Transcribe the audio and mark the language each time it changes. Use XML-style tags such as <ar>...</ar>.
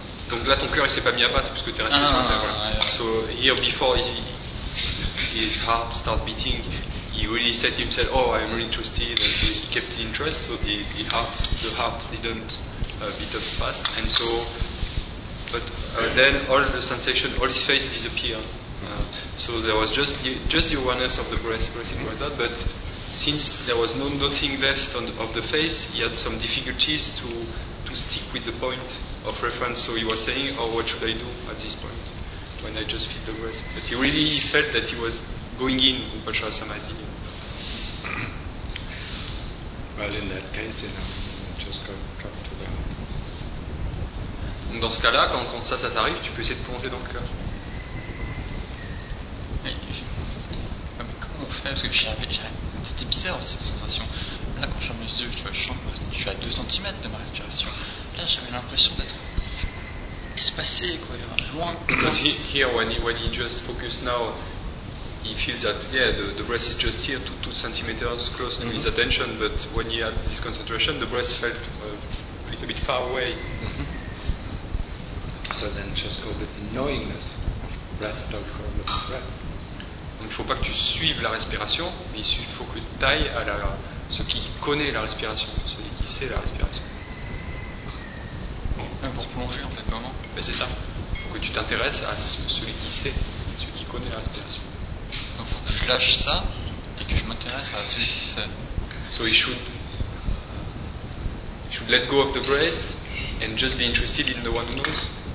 <fr>Donc là, ton cœur il s'est pas mis à battre parce que t'es resté sur terre.</fr> <en>So here before his heart start beating. He really said to himself, oh, I'm really interested, and so he kept the interest, so the heart didn't beat up fast, and so, but then all the sensation, all his face disappeared. So there was just the awareness of the breath, everything was that, but since there was nothing left of the face, he had some difficulties to stick with the point of reference, so he was saying, oh, what should I do at this point, when I just feel the breath? But he really felt that he was going in Upachara Samadhi. Well, in that case, then I just come to the heart.</en> <fr>Donc dans ce cas-là, quand ça t'arrive, tu peux essayer de plonger dans le cœur. Mais comment on fait? Parce que c'était bizarre cette sensation. Là, quand je ferme les yeux, tu vois, je suis à 2 cm de ma respiration. Là, j'avais l'impression d'être espacé, quoi, loin.</fr> <en>Because here, when he just focused now. He feels that the breath is just here, 2 centimeters close to his attention. But when he had this concentration, the breath felt a little bit far away. So then, just go with the knowingness of breath. Don't go with the breath.</en> <fr>Donc, il ne faut pas que tu suives la respiration, mais il faut que tu ailles à ce qui connaît la respiration, celui qui sait la respiration. Et pour plonger, en fait, vraiment. Ben, c'est ça. Il faut que tu t'intéresses à celui qui sait, celui qui connaît la respiration. Je lâche ça et que je m'intéresse à celui qui sait.</fr> <en>So he should let go of the breath and just be interested in the one who knows.</en>